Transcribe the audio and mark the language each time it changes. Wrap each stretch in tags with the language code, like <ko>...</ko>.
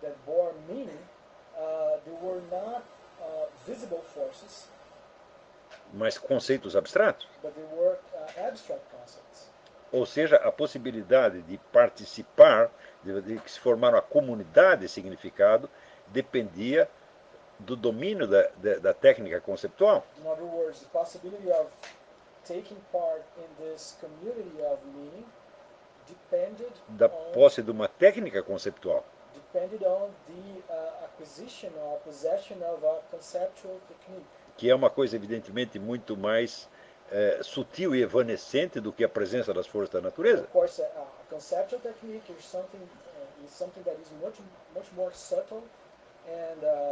<en>That bore meaning, they were not visible forces.</en> <pt>Mas conceitos abstratos.</pt> <en>But they were abstract concepts.</en> <pt>Ou seja, a possibilidade de participar, de se formar uma comunidade de significado, dependia do domínio da técnica conceptual.</pt> <en>In other words, the possibility of taking part in this community of meaning depended</en> <pt>da posse de uma técnica conceptual.</pt> <en>Depended on the acquisition or possession of a conceptual technique.</en> <pt>Que é uma coisa, evidentemente, muito mais sutil e evanescente do que a presença das forças da natureza.</pt> <en>Of course, a conceptual technique is something that is much more subtle and</en>